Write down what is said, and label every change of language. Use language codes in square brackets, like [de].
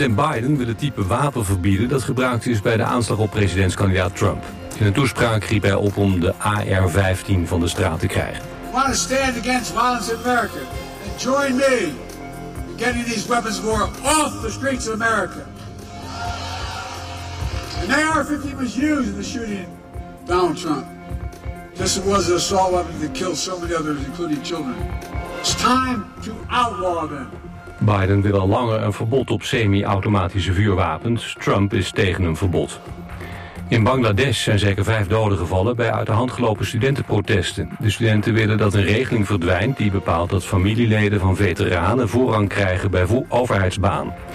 [nl] President Biden wil het type wapen verbieden dat gebruikt is bij de aanslag op presidentskandidaat Trump. In een toespraak riep hij op om de AR-15 van de straat te krijgen. [en] We willen stand against violence in America. And join me in getting these weapons war off the streets of America. An AR-15 was used in the shooting Donald Trump. Just as it was an assault weapon that killed so many others, including children. It's time to outlaw them. [nl] Biden wil al langer een verbod op semi-automatische vuurwapens. Trump is tegen een verbod. In Bangladesh zijn zeker 5 doden gevallen bij uit de hand gelopen studentenprotesten. De studenten willen dat een regeling verdwijnt die bepaalt dat familieleden van veteranen voorrang krijgen bij overheidsbaan.